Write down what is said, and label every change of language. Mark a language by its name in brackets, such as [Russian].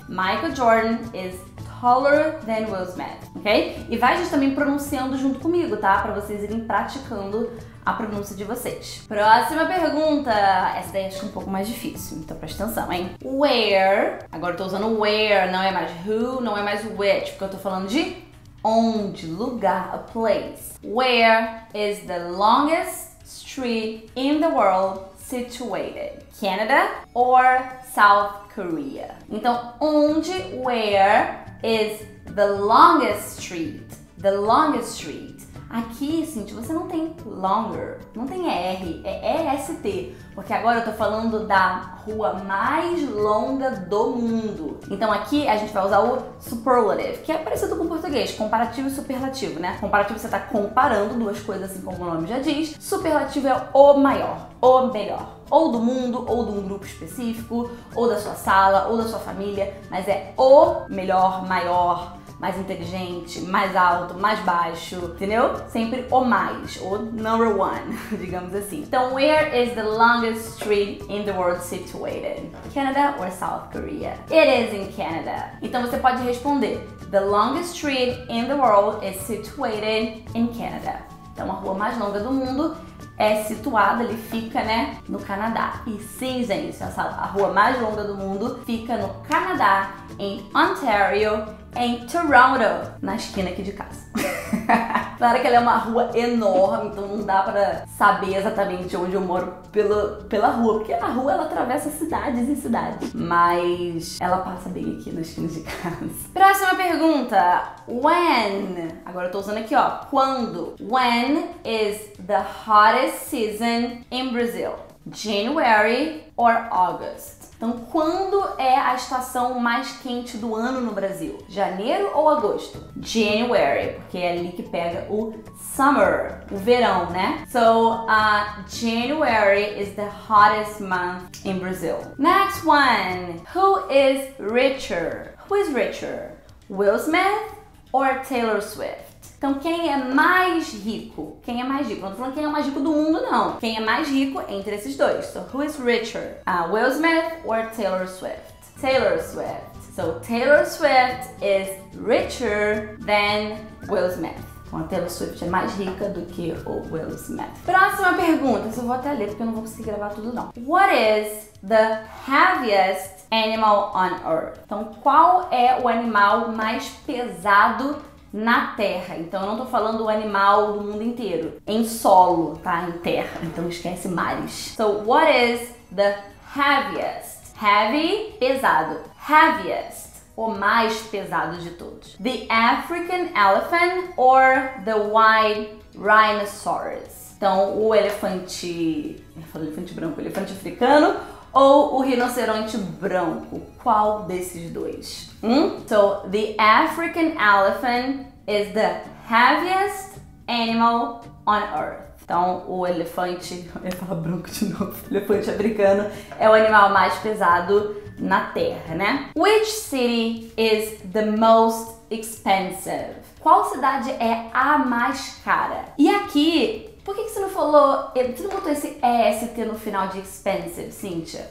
[English] Michael Jordan is taller than Will Smith, ok? [Portuguese] E vai gente também pronunciando junto comigo, tá? Pra vocês irem praticando a pronúncia de vocês. Próxima pergunta. Essa daí acho um pouco mais difícil, então presta atenção, hein? Where, agora eu tô usando where, não é mais who, não é mais which, porque eu tô falando de onde, lugar, [English] a place. Where is the longest street in the world situated? Canada or South Korea? [Portuguese] Então, onde, [English] where is the longest street? The longest street. [Portuguese] Aqui, Cintia, você não tem longer, não tem R, é EST. Porque agora eu tô falando da rua mais longa do mundo. Então aqui a gente vai usar o superlative, que é parecido com o português, comparativo e superlativo, né? Comparativo você tá comparando duas coisas assim como o nome já diz. Superlativo é o maior, o melhor. Ou do mundo, ou de um grupo específico, ou da sua sala, ou da sua família. Mas é o melhor, maior, mais inteligente, mais alto, mais baixo, entendeu? Sempre o mais, o number one, digamos assim. Então, where is the longest street in the world situated? Canada or South Korea? It is in Canada. Então você pode responder, the longest street in the world is situated in Canada. Então a rua mais longa do mundo é situada, ele fica, né, no Canadá. E sim, gente, essa, a rua mais longa do mundo fica no Canadá, em Ontario, em Toronto, na esquina aqui de casa. Claro que ela é uma rua enorme, então não dá pra saber exatamente onde eu moro pela rua, porque a rua ela atravessa cidades e cidades. Mas ela passa bem aqui na esquina de casa. Próxima pergunta. When? Agora eu tô usando aqui, ó. Quando? [English] When is the hottest season in Brazil? January or August? [Portuguese] Então, quando é a estação mais quente do ano no Brasil? Janeiro ou agosto? January, porque é ali que pega o summer, o verão, né? [English] So, January is the hottest month in Brazil. Next one. Who is richer? Who is richer? [Portuguese] Will Smith or Taylor Swift? Então, quem é mais rico? Quem é mais rico? Não tô falando quem é o mais rico do mundo, não. Quem é mais rico entre esses dois? [English] So, who is richer? Will Smith or Taylor Swift? [Portuguese] Taylor Swift. [English] So, Taylor Swift is richer than Will Smith. [Portuguese] Então, a Taylor Swift é mais rica do que o Will Smith. Próxima pergunta. Isso eu vou até ler porque eu não vou conseguir gravar tudo, não. [English] What is the heaviest animal on Earth? [Portuguese] Então, qual é o animal mais pesado na terra? Então eu não tô falando o animal do mundo inteiro. Em solo, tá? Em terra. Então esquece mares. [English] So, what is the heaviest? Heavy, pesado. Heaviest, [Portuguese] o mais pesado de todos. [English] The African elephant or the white rhinoceros? [Portuguese] Então, o elefante... Eu falei elefante branco, o elefante africano. Ou o rinoceronte branco? Qual desses dois? [English] So, the African elephant is the heaviest animal on earth. [Portuguese] Então, o elefante... Eu ia falar branco de novo. Elefante africano é o animal mais pesado na Terra, né? [English] Which city is the most expensive? [Portuguese] Qual cidade é a mais cara? E aqui... Por que você não falou, você não botou esse EST no final de expensive, Cíntia?